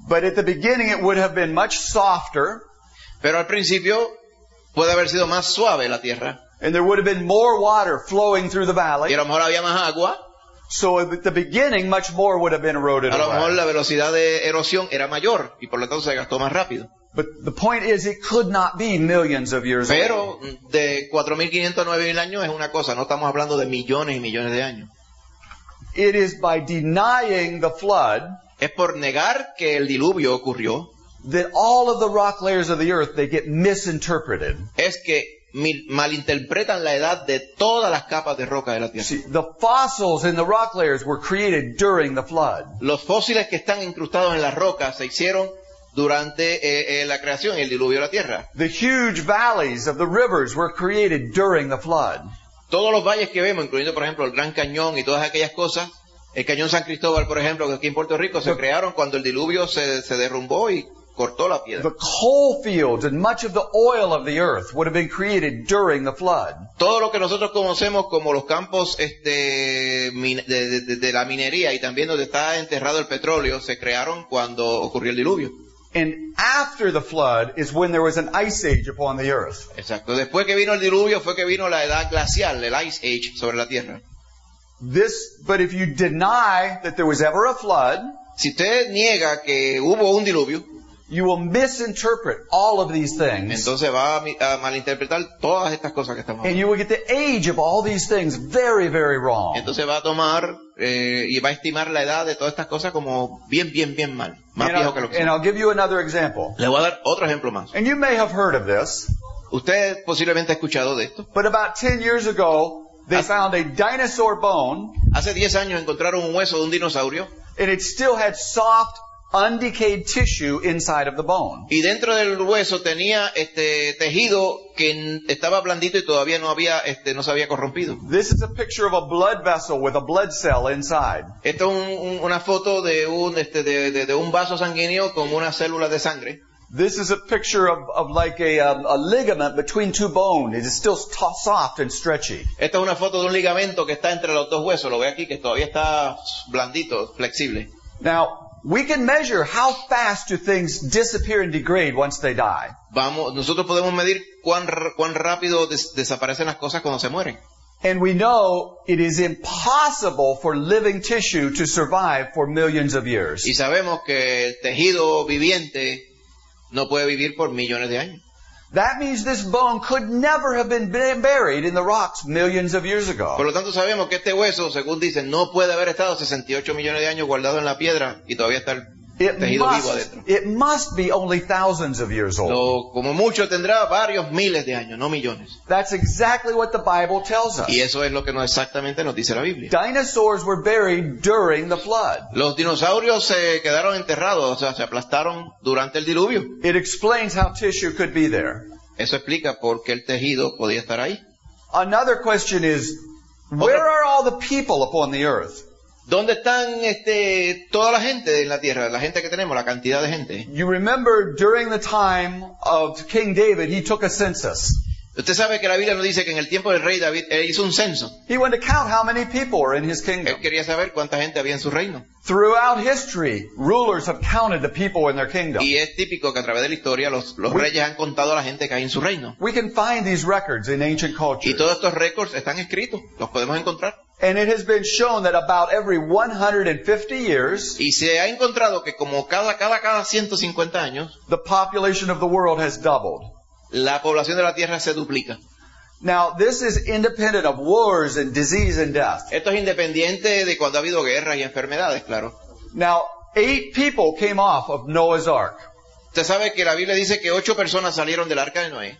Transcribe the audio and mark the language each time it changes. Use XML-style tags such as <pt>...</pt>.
<en>But at the beginning, it would have been much softer.</en> <es>Pero al principio puede haber sido más suave la tierra.</es> <en>And there would have been more water flowing through the valley.</en> <es>Y a lo mejor había más agua.</es> <en>So at the beginning, much more would have been eroded away.</en> <es>A lo mejor la velocidad de erosión era mayor, y por lo tanto se gastó más rápido.</es> <en>But the point is, it could not be millions of years old.</en> <es>Pero de 4,500 a 9,000 años es una cosa, no estamos hablando de millones y millones de años.</es> <en>It is by denying the flood.</en> <es>Es por negar que el diluvio ocurrió.</es> <en>That all of the rock layers of the earth, they get misinterpreted.</en> <es>Es que malinterpretan la edad de todas las capas de roca de la tierra.</es> <en>See, the fossils in the rock layers were created during the flood.</en> <es>Los fósiles que están incrustados en las rocas se hicieron durante la creación y el diluvio de la tierra.</es> <en>The huge valleys of the rivers were created during the flood.</en> <es>Todos los valles que vemos, incluyendo por ejemplo el Gran Cañón y todas aquellas cosas, el Cañón San Cristóbal, por ejemplo, aquí en Puerto Rico, se crearon cuando el diluvio se derrumbó y cortó la piedra.</es> <en>The coal fields and much of the oil of the earth would have been created during the flood.</en> <es>Todo lo que nosotros conocemos como los campos de la minería y también donde está enterrado el petróleo se crearon cuando ocurrió el diluvio.</es> <en>And after the flood is when there was an ice age upon the earth.</en> <es>Exacto. Después que vino el diluvio fue que vino la edad glacial, el</es> <en>ice age</en> <es>sobre la tierra.</es> <en>But if you deny that there was ever a flood,</en> <es>si usted niega que hubo un diluvio,</es> <en>you will misinterpret all of these things.</en> <es>Entonces va a malinterpretar todas estas cosas que estamos.</es> <en>And you will get the age of all these things very, very wrong.</en> <es>Entonces va a tomar y va a estimar la edad de todas estas cosas como bien, bien, bien mal, más viejo que lo que.</es> <en>And I'll give you another example.</en> <es>Le voy a dar otro ejemplo más.</es> <en>And you may have heard of this.</en> <es>Usted posiblemente ha escuchado de esto.</es> <en>But about 10 years ago, they found a dinosaur bone.</en> <es>Hace 10 años encontraron un hueso de un dinosaurio.</es> <en>And it still had soft, undecayed tissue inside of the bone.</en> <es>Y dentro del hueso tenía tejido que estaba blandito y todavía no se había corrompido.</es> <en>This is a picture of a blood vessel with a blood cell inside.</en> <es>Esto es una foto de un vaso sanguíneo con una célula de sangre.</es> <en>This is a picture of like a ligament between two bones. It is still soft and stretchy.</en> <es>Esta es una foto de un ligamento que está entre los dos huesos. Lo ve aquí que todavía está blandito, flexible.</es> <en>Now, We can measure how fast do things disappear and degrade once they die.</en> <es>Vamos, nosotros podemos medir cuán rápido desaparecen las cosas cuando se mueren.</es> <en>And we know it is impossible for living tissue to survive for millions of years.</en> <es>Y sabemos que el tejido viviente no puede vivir por millones de años.</es> <en>That means this bone could never have been buried in the rocks millions of years ago.</en> <es>Por lo tanto, sabemos que este hueso, según dicen, no puede haber estado 68 millones de años guardado en la piedra y todavía está el tejido vivo adentro.</es> <en>It must be only thousands of years old.</en> <es>Como mucho tendrá varios miles de años, no millones.</es> <en>That's exactly what the Bible tells us.</en> <es>Y eso es lo que exactamente nos dice la Biblia.</es> <en>Dinosaurs were buried during the flood.</en> <es>Los dinosaurios se quedaron enterrados, o sea, se aplastaron durante el diluvio.</es> <en>It explains how tissue could be there.</en> <es>Eso explica por qué el tejido podía estar ahí.</es> <en>Another question is, where are all the people upon the earth?</en> <es>¿Dónde están toda la gente en la tierra? La gente que tenemos, la cantidad de gente.</es> <en>You remember during the time of King David, he took a census.</en> <es>Usted sabe que la Biblia nos dice que en el tiempo del rey David, él hizo un censo.</es> <en>He wanted to count how many people were in his kingdom.</en> <es>Él quería saber cuánta gente había en su reino.</es> <en>Throughout history, rulers have counted the people in their kingdom.</en> <es>Y es típico que a través de la historia los reyes han contado a la gente que hay en su reino.</es> <en>We can find these records in ancient cultures.</en> <es>Y todos estos récords están escritos, los podemos encontrar.</es> <en>And it has been shown that about every 150 years,</en> <es>y se ha encontrado que como cada 150 años,</es> <en>the population of the world has doubled.</en> <es>La población de la tierra se duplica.</es> <en>Now, this is independent of wars and disease and death.</en> <es>Esto es independiente de cuando ha habido guerras y enfermedades, claro.</es> <en>Now, 8 people came off of Noah's Ark.</en> <es>Usted sabe que la Biblia dice que 8 personas salieron del arca de Noé.</es>